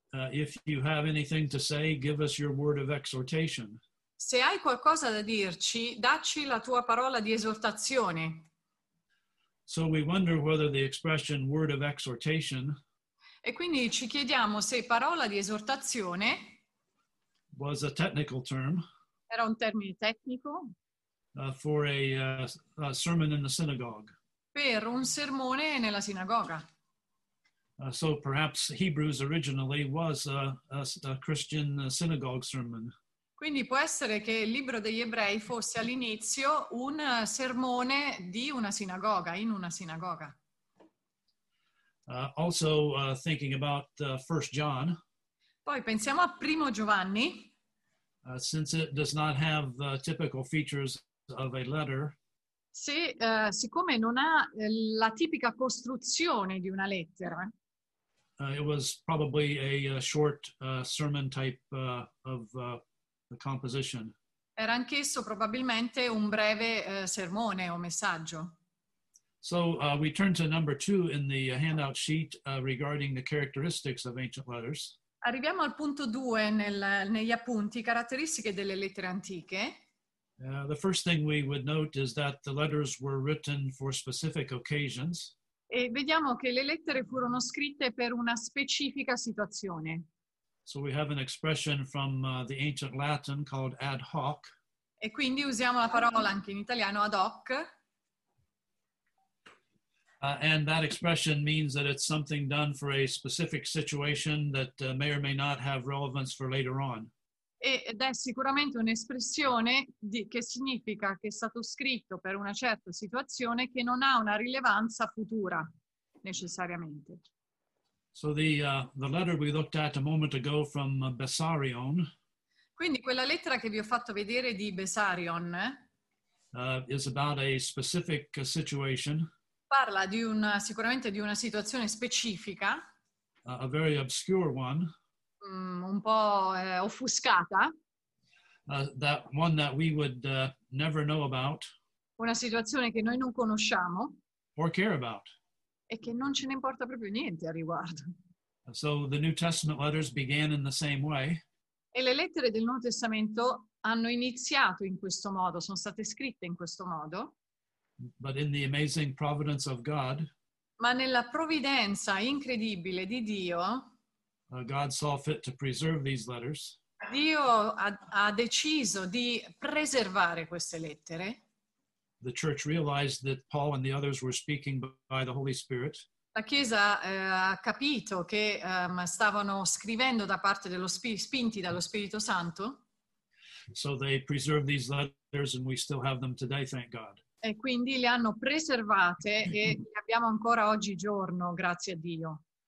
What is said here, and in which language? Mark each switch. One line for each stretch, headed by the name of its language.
English: if you have anything to say, give us your word of exhortation.
Italian: Se hai qualcosa da dirci, dacci la tua parola di esortazione.
English: So we wonder whether the expression word of exhortation,
Italian: e quindi ci chiediamo se parola di esortazione,
English: was a technical term,
Italian: era un termine tecnico,
English: for a sermon in the synagogue,
Italian: per un sermone nella sinagoga.
English: So perhaps Hebrews originally was a Christian synagogue sermon.
Italian: Quindi può essere che il libro degli Ebrei fosse all'inizio un sermone di una sinagoga, in una sinagoga.
English: Also thinking about 1 John.
Italian: Poi pensiamo a Primo Giovanni.
English: Since it does not have typical features of a letter.
Italian: Se, siccome non ha la tipica costruzione di una lettera.
English: It was probably a short sermon type of the composition.
Italian: Era anch'esso probabilmente un breve sermone o messaggio.
English: So we turn to number two in the handout sheet regarding the characteristics of ancient letters.
Italian: Arriviamo al punto due negli appunti, caratteristiche delle lettere antiche.
English: The first thing we would note is that the letters were written for specific occasions.
Italian: E vediamo che le lettere furono scritte per una specifica situazione.
English: So we have an expression from the ancient Latin called ad hoc.
Italian: E quindi usiamo la parola anche in italiano ad hoc.
English: And that expression means that it's something done for a specific situation that may or may not have relevance for later on.
Italian: Ed è sicuramente un'espressione che significa che è stato scritto per una certa situazione che non ha una rilevanza futura necessariamente.
English: So the letter we looked at a moment ago from Bessarion.
Italian: Quindi quella lettera che vi ho fatto vedere di Bessarion
English: is about a specific situation.
Italian: Parla di una, sicuramente di una situazione specifica.
English: A very obscure one.
Italian: un po' offuscata.
English: That one that we would never know about.
Italian: Una situazione che noi non conosciamo.
English: Or care about.
Italian: E che non ce ne importa proprio niente a riguardo.
English: So the New Testament letters began in the same way.
Italian: E le lettere del Nuovo Testamento hanno iniziato in questo modo, sono state scritte in questo modo.
English: But in the amazing providence of God.
Italian: Ma nella provvidenza incredibile di Dio.
English: God saw fit to preserve these letters.
Italian: Dio ha deciso di preservare queste lettere.
English: The church realized that Paul and the others were speaking by the Holy Spirit.
Italian: La Chiesa ha capito che stavano scrivendo da parte dello spinti dallo Spirito Santo.
English: So they preserved these letters and we still have them today, thank God.
Italian: E quindi le hanno preservate e le abbiamo ancora oggigiorno, grazie a Dio.